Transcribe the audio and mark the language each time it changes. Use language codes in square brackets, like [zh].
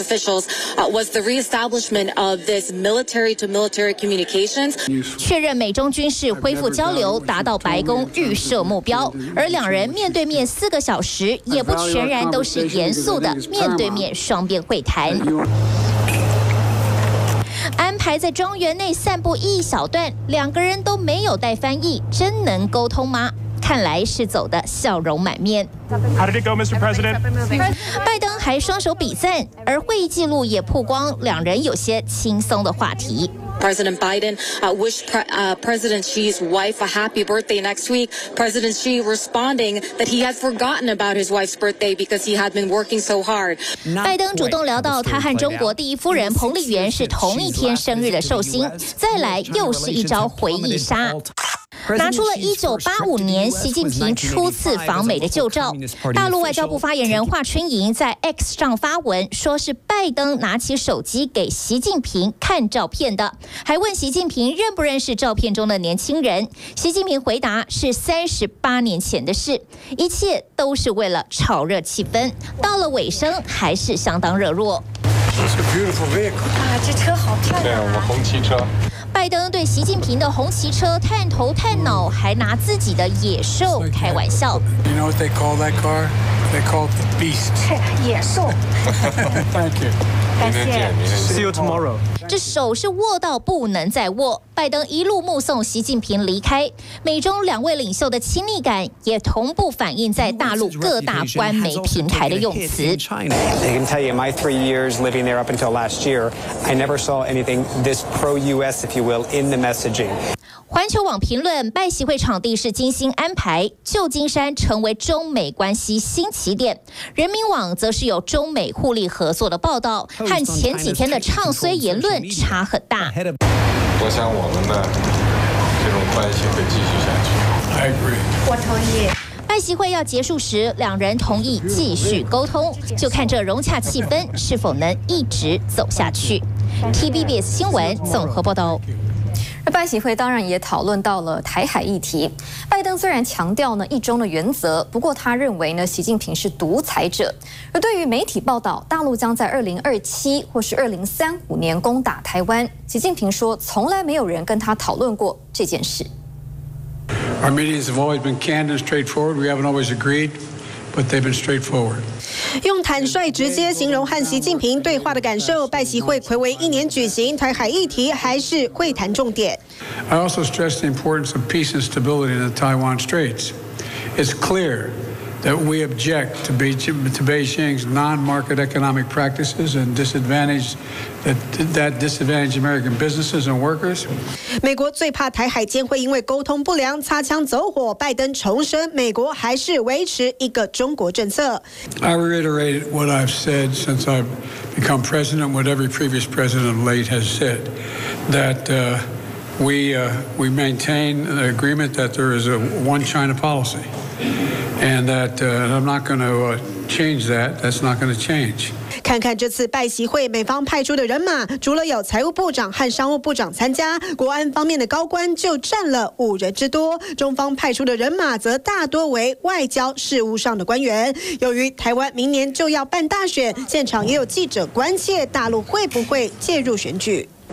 [en] officials was the reestablishment of this military-to-military communications. [zh] 确认美中军事恢复交流，达到白宫预设目标。而两人面对面4个小时，也不全然都是严肃的面对面双边会谈。安排在庄园内散步一小段，两个人都没有带翻译，真能沟通吗？看来是走得笑容满面。 [en] How did it go, Mr. President? [zh] 拜登还双手比赞，而会议记录也曝光两人有些轻松的话题。 [en] President Biden wished President Xi's wife a happy birthday next week. President Xi responding that he had forgotten about his wife's birthday because he had been working so hard. [zh] 拜登主动聊到他和中国第一夫人彭丽媛是同一天生日的寿星，再来又是一招回忆杀。拿出了1985年习近平初次访美的旧照，大陆外交部发言人华春莹在 X 上发文，说是拜登拿起手机给习近平看照片的，还问习近平认不认识照片中的年轻人。习近平回答是38年前的事，一切都是为了炒热气氛。到了尾声，还是相当热络。这车好漂亮啊！对，我们红旗车。拜登对习近平的红旗车探头探脑，还拿自己的野兽开玩笑。 [en] You know what they call that car? They call it the beast. [zh] 野兽。 [en] Thank you. [zh] 感谢。 [en] See you tomorrow. [zh] 这手是握到不能再握。拜登一路目送习近平离开，美中两位领袖的亲密感也同步反映在大陆各大官媒平台的用词。 [en] I can tell you, my 3 years living there up until last year, I never saw anything this pro-U.S. if you will in the messaging. [zh] 环球网评论：拜习会场地是精心安排，旧金山成为中美关系新起点。人民网则是有中美互利合作的报道，和前几天的唱衰言论差很大。我想我们的这种关系会继续下去。 [en] I agree. [zh] 我同意。在习会要结束时，两人同意继续沟通，就看这融洽气氛是否能一直走下去。 TVBS 新闻综合报道。拜习会当然也讨论到了台海议题。拜登虽然强调呢一中的原则，不过他认为呢习近平是独裁者。而对于媒体报道大陆将在2027或是2035年攻打台湾，习近平说从来没有人跟他讨论过这件事。 [en] Our meetings have always been candid and straightforward. We haven't always agreed, but they've been straightforward. [zh] 用坦率直接形容和习近平对话的感受。拜习会暌违一年举行，台海议题还是会谈重点。 [en] I also stress the importance of peace and stability in the Taiwan Straits. It's clear that we object to Beijing's non-market economic practices and disadvantage that disadvantage American businesses and workers. [zh] 美国最怕台海间会因为沟通不良擦枪走火。拜登重申，美国还是维持一个中国政策。 [en] I reiterate what I've said since I've become president, what every previous president of late has said, that we maintain the agreement that there is a one China policy. And that I'm not going to change that. That's not going to change. [zh] 看看这次拜习会，美方派出的人马，除了有财务部长和商务部长参加，国安方面的高官就占了五人之多。中方派出的人马则大多为外交事务上的官员。由于台湾明年就要办大选，现场也有记者关切大陆会不会介入选举。